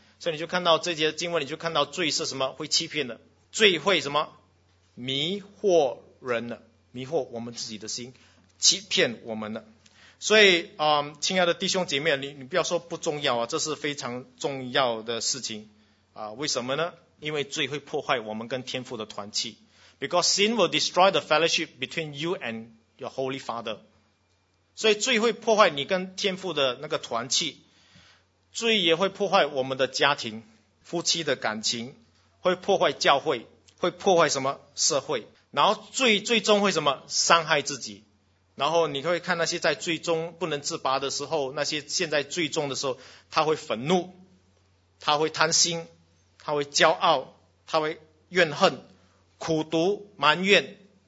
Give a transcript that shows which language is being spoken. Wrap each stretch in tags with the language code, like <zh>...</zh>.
<zh>所以你就看到这节经文，你就看到罪是什么，会欺骗的，罪会什么迷惑人的，迷惑我们自己的心，欺骗我们的。所以亲爱的弟兄姐妹，你不要说不重要啊，这是非常重要的事情啊。为什么呢？因为罪会破坏我们跟天父的团契。</zh> <en>Because sin will destroy the fellowship between you and your holy father.</en> <zh>所以罪会破坏你跟天父的那个团契，罪也会破坏我们的家庭，夫妻的感情，会破坏教会，会破坏什么社会，然后罪最终会什么伤害自己，然后你会看那些在罪中不能自拔的时候，那些现在罪中的时候，他会愤怒，他会贪心，他会骄傲，他会怨恨，苦毒，埋怨</zh>